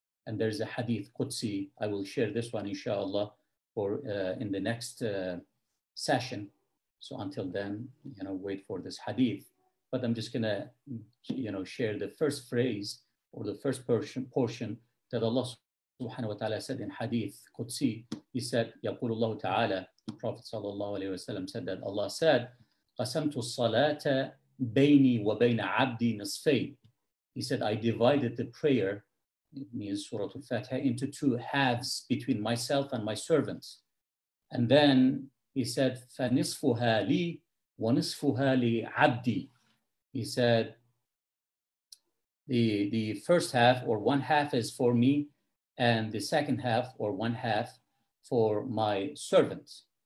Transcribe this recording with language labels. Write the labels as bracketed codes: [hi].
[en] And there's a hadith Qudsi. I will share this one, inshallah, for in the next session. So until then, you know, wait for this hadith. But I'm just gonna, you know, share the first phrase or the first portion that Allah subhanahu wa ta'ala said in hadith Qudsi. He said, [ar] يقول الله تعالى, [en] the Prophet [ar] صلى الله عليه وسلم [en] said that Allah said, [ar] قسمت الصلاة بيني وبين عبدي نصفين. [en] He said, I divided the prayer, it means Surah Al-Fatihah, into two halves between myself and my servants. And then he said, [ar] فنصفها لي ونصفها لعبدي. [en] He said, the first half or one half is for me, and the second half or one half for my servants.